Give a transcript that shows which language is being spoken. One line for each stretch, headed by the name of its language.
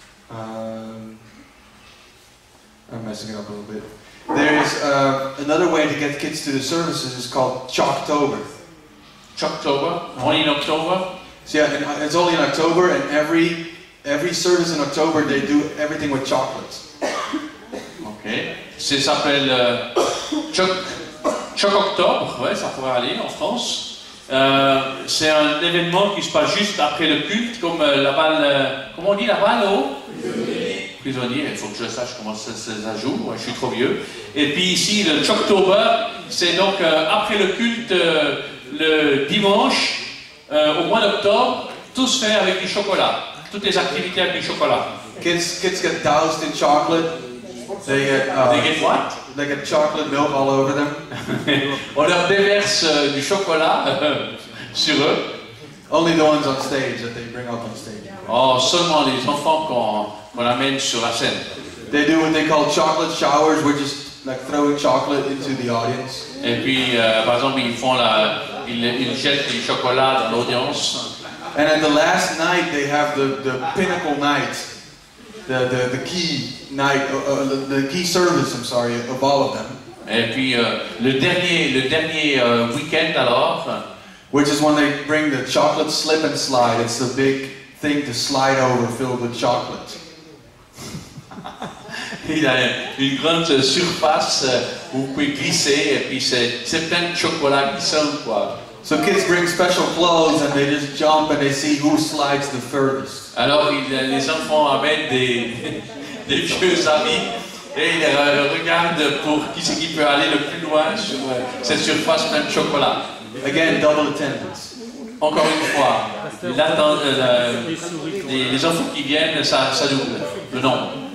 English: I'm messing it up a little bit. There is another way to get kids to the services. It's called Choctober. Choctober? Only in October? So yeah, it's only in October, and every service in October they do everything with chocolates. Okay.
French: Ça s'appelle Choctober, ouais, ça pourrait aller en France. C'est un événement qui se passe juste après le culte, comme la balle, comment on dit la balle au prisonnier. Il faut que je sache comment ça se joue, ouais, je suis trop vieux. Et puis ici, le Choctober, c'est donc après le culte, le dimanche, au mois d'octobre, tout se fait avec du chocolat, toutes les activités avec du chocolat.
English: Kids get doused in chocolate. They get what? They get chocolate milk all over them.
French: On leur déverse du chocolat sur eux.
English: Only the ones on stage that they bring up on stage.
French: Oh, seulement les enfants qu'on amène sur la scène.
English: They do what they call chocolate showers, which is like throwing chocolate into the audience.
French: Et puis, par exemple, ils jettent du chocolat dans l'audience.
English: And at the last night, they have the pinnacle night. The key night, the key service, I'm sorry, of all of them.
French: Et puis le dernier weekend alors.
English: Which is when they bring the chocolate slip and slide. It's the big thing to slide over filled with chocolate.
French: Il a une grande surface où vous pouvez glisser et puis c'est plein de chocolat glissant quoi.
English: So kids bring special clothes and they just jump and they see who slides the furthest.
French: Alors les enfants amènent des vieux amis et ils regardent pour qui c'est qui peut aller le plus loin sur cette surface pleine de chocolat.
English: Again, double attendance.
French: encore une fois, les enfants qui viennent, ça double le nombre.